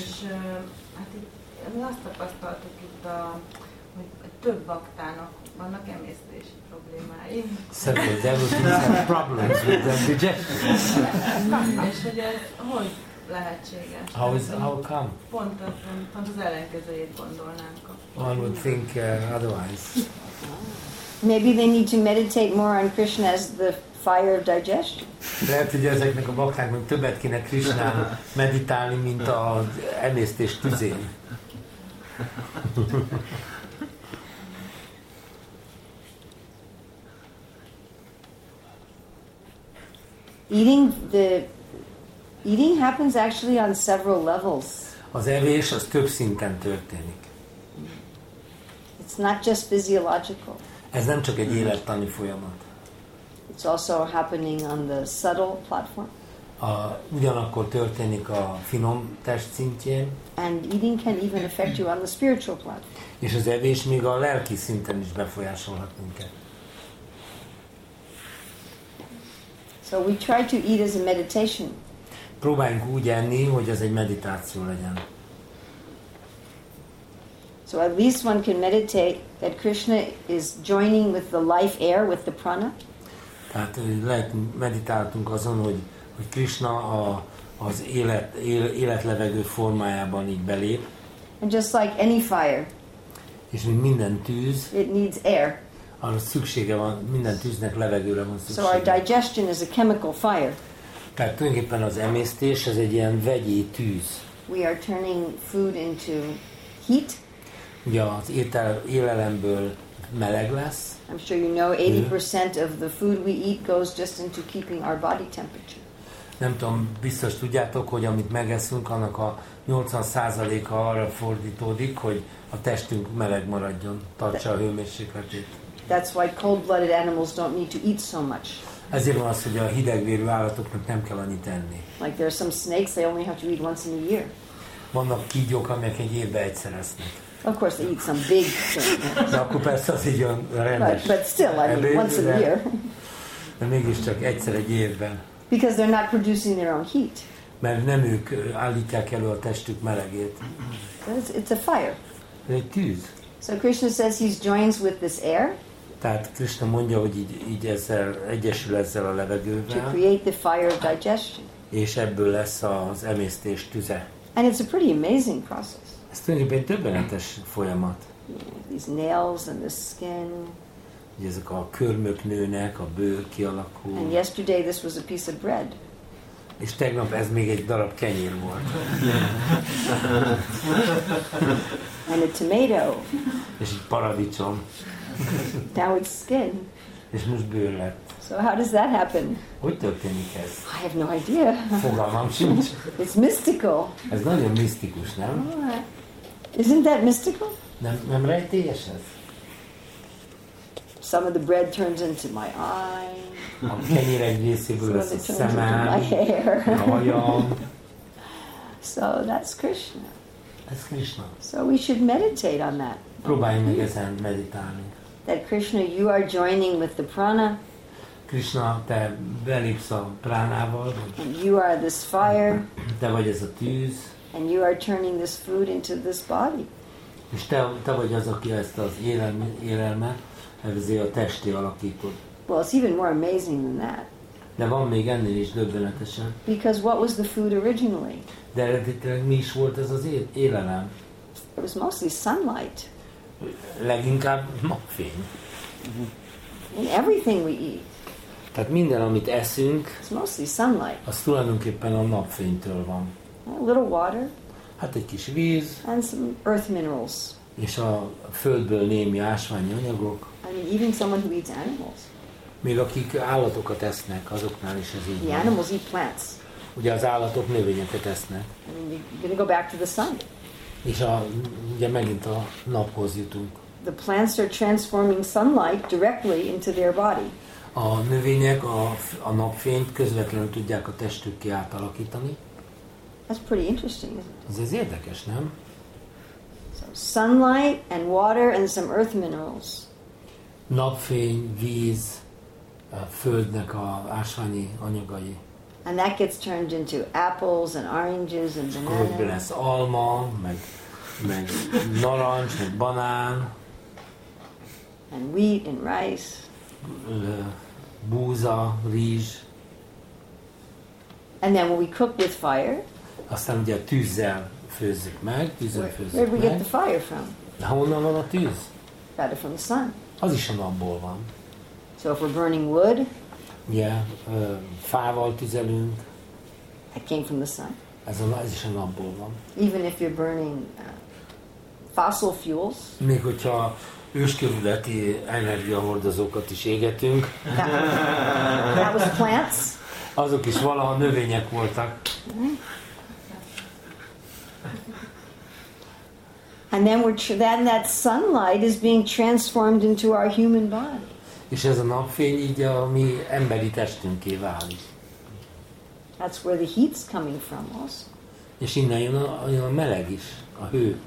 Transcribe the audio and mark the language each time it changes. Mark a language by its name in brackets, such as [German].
[Hungarian] És hát itt, mi azt tapasztaltuk itt, hogy több baktának vannak emésztési problémái. [English] Several devotees have problems with their digestion. [Hungarian] És hogy ez hogy... lehetséges. [English] How come? [Hungarian] Pont az ellenkezőjét gondolnánk. [English] One would think otherwise. Maybe they need to meditate more on Krishna as the fire of digestion. [Hungarian] Lehet, hogy ezeknek a baktáknak többet kéne Krishnán meditálni, mint az emésztés tüzén. [English] Eating happens actually on several levels. [Hungarian] Az evés az több szinten történik. [English] It's not just physiological. [Hungarian] Ez nem csak egy élettani folyamat. [English] It's also happening on the subtle platform. [Hungarian] Ugyanakkor történik a finom test szintjén. [English] And eating can even affect you on the spiritual platform. [Hungarian] És az evés még a lelki szinten is befolyásolhat minket. [English] So we try to eat as a meditation. [Hungarian] Próbáljunk úgy enni, hogy ez egy meditáció legyen. [English] So at least one can meditate that Krishna is joining with the life air, with the prana. [Hungarian] Tehát lehet meditáltunk azon, hogy Krishna az életlevegő formájában így belép. [English] And just like any fire. [Hungarian] És mint minden tűz. [English] It needs air. [Hungarian] Arra szüksége van, minden tűznek levegőre van szüksége. [English] So our digestion is a chemical fire. [Hungarian] Tehát tulajdonképpen az emésztés az egy ilyen vegyi tűz. [English] We are turning food into heat. [Hungarian] Ugye az élelemből meleg lesz. [English] I'm sure you know 80% of the food we eat goes just into keeping our body temperature. [Hungarian] Nem tudom, biztos tudjátok, hogy amit megeszünk, annak a 80%-a arra fordítódik, hogy a testünk meleg maradjon, tartsa a hőmérsékletét. [English] That's why cold-blooded animals don't need to eat so much. [Hungarian] Ezért van az, hogy a hidegvérű állatoknak nem kell annyit enni. [English] Like there are some snakes, they only have to eat once in a year. [Hungarian] Vannak kígyók, amelyek egy évben egyszer esznek. [English] Of course they eat some big things. [Hungarian] De akkor persze az így olyan rendes. [English] But still, I mean, once a year. [Hungarian] De mégiscsak egyszer egy évben. [English] Because they're not producing their own heat. [Hungarian] Mert nem ők állítják elő a testük melegét. [English] It's a fire. [Hungarian] Egy tűz. [English] So Krishna says he joins with this air. [Hungarian] Tehát Krishna mondja, hogy így ezzel egyesül ezzel a levegővel. [English] To create the fire of digestion. [Hungarian] és ebből lesz az emésztés tüze. [English] And it's a pretty amazing process. [Hungarian] Ez tulajdonképpen egy döbbenetes folyamat. [English] These nails and the skin. [Hungarian] Ugye ezek a körmök nőnek, a bőr kialakul. [English] And yesterday this was a piece of bread. [Hungarian] És tegnap ez még egy darab kenyér volt. [English] And a tomato. [Hungarian] És egy paradicsom. [English] Now it's skin. [Hungarian] És most bőr lett. [English] So how does that happen? [Hungarian] Hogy történik ez? [English] I have no idea. [Hungarian] Fogalmam sincs. [English] It's mystical. [Hungarian] Ez nagyon misztikus, nem? [English] Oh, isn't that mystical? [Hungarian] Nem rejtélyes ez? [English] Some of the bread turns into my eye. [Hungarian] A kenyér egy részéből lesz a szemem, a hajam. [English] So that's Krishna. [Hungarian] Ez Krishna. [English] So we should meditate on that. [Hungarian] Próbálj meg ezen meditálni. [English] That Krishna, you are joining with the prana. [Hungarian] Krishna, te belépsz a pránával. [English] And you are this fire. [Hungarian] Te vagy ez a tűz. [English] And you are turning this food into this body. [Hungarian] És te vagy az, aki ezt az élelmet, ezért a testi alakítod. [English] Well, it's even more amazing than that. [Hungarian] De van még ennél is döbbenetesen. [English] Because what was the food originally? [Hungarian] De eredetileg mi is volt ez az élelem? [English] It was mostly sunlight. [Hungarian] Leginkább napfény. [English] In everything we eat. [Hungarian] Tehát minden, amit eszünk, [English] it's mostly sunlight. [Hungarian] Az tulajdonképpen a napfénytől van. [English] A little water. [Hungarian] Hát egy kis víz. [English] And some earth minerals. [Hungarian] És a földből némi ásványi anyagok. [English] I mean, even someone who eats animals. [Hungarian] Még akik állatokat esznek, azoknál is ez így van. [English] The animals eat plants. [Hungarian] Ugye az állatok növényeket esznek. [English] I mean, you're gonna go back to the sun. [Hungarian] És ugye megint a naphoz jutunk. [English] The plants are transforming sunlight directly into their body. [Hungarian] A növények a napfényt közvetlenül tudják a testük ki átalakítani. [English] That's pretty interesting, isn't it? [Hungarian] Ez érdekes, nem? [English] So sunlight and water and some earth minerals. [Hungarian] Napfény, víz, a földnek a ásványi anyagai. [English] And that gets turned into apples and oranges and bananas. [Hungarian] És akkor lesz alma, meg narancs, meg banán. [English] And wheat and rice. [Hungarian] Búza, rizs. [English] And then when we cook with fire. [Hungarian] Aztán ugye a tűzzel főzzük meg, tűzzel főzzük meg. [English] Where do we get the fire from? [Hungarian] De honnan van a tűz? [English] Got it from the sun. [Hungarian] Az is a napból van. [English] So if we're burning wood. [Hungarian] Ugye, fával tüzelünk. [English] That came from the sun. [Hungarian] Ez is a napból van. [English] Even if you're burning fossil fuels. [Hungarian] Még hogyha őskövületi energiahordozókat is égetünk. [English] That was plants. [Hungarian] Azok is valaha növények voltak. [English] And then that sunlight is being transformed into our human body. [Hungarian] És ez a napfény így a mi emberi testünké válik. [English] That's where the heat's coming from also. [Hungarian] És innen jön a meleg is, a hő.